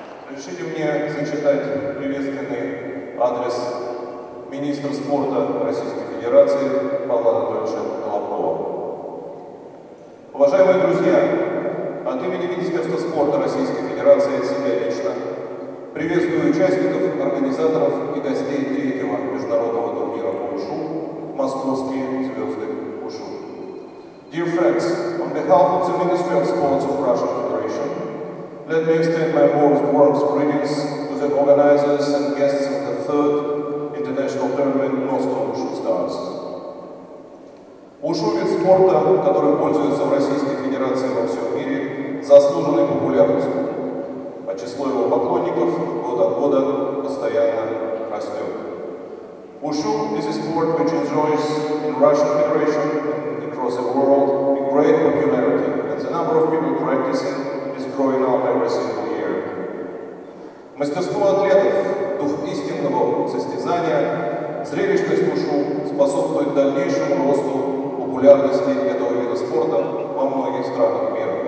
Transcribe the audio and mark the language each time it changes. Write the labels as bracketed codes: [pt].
[ru] Решите мне зачитать приветственный адрес министра спорта Российской Федерации Павла Анатольевича Колобкова. Уважаемые друзья, от имени Министерства спорта Российской Федерации и от себя лично приветствую участников, организаторов и гостей третьего международного турнира по ушу «Московские звезды ушу». [en] Dear friends, on behalf of the Ministry of Sports of Russian Federation, let me extend my warm greetings to the organizers and guests of the third international tournament Moscow Ushu Stars. [ru] Ушу вид спорта, который пользуется в Российской Федерации во всем мире, заслуженной популярностью, а число его поклонников год от года постоянно растет. [en] Ушу is a sport which enjoys in Russian Federation and across the world a great popularity, and the number of people practicing is growing up every single year. [ru] Мастерство атлетов, дух истинного состязания, зрелищность ушу способствует дальнейшему росту популярности этого вида спорта во многих странах мира.